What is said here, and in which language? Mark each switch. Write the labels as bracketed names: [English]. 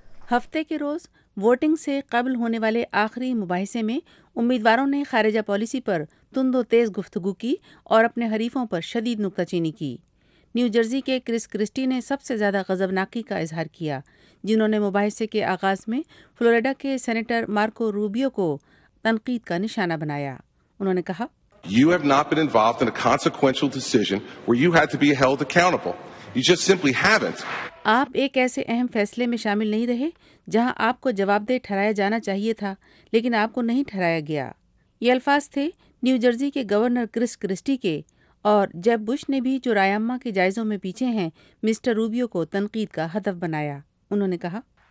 [Urdu] ہفتے کے روز ووٹنگ سے قبل ہونے والے آخری مباحثے میں امیدواروں نے خارجہ پالیسی پر تند و تیز گفتگو کی اور اپنے حریفوں پر شدید نکتہ چینی کی۔ نیو جرزی کے کرس کرسٹی نے سب سے زیادہ غضبناکی کا اظہار کیا، جنہوں نے مباحثے کے آغاز میں فلوریڈا کے سینیٹر مارکو روبیو کو تنقید کا نشانہ بنایا۔ انہوں نے کہا، [English] You have not been involved in a consequential decision where you had to be held accountable. You just simply haven't. [Urdu] آپ ایک ایسے اہم فیصلے میں شامل نہیں رہے جہاں آپ کو جواب دہ ٹھہرایا جانا چاہیے تھا، لیکن آپ کو نہیں ٹھہرایا گیا۔ یہ الفاظ تھے نیو جرزی کے گورنر کرس کرسٹی کے، اور جیب بش نے بھی جو رایاما کے جائزوں میں پیچھے ہیں مسٹر روبیو کو تنقید کا ہدف بنایا۔ انہوں نے کہا،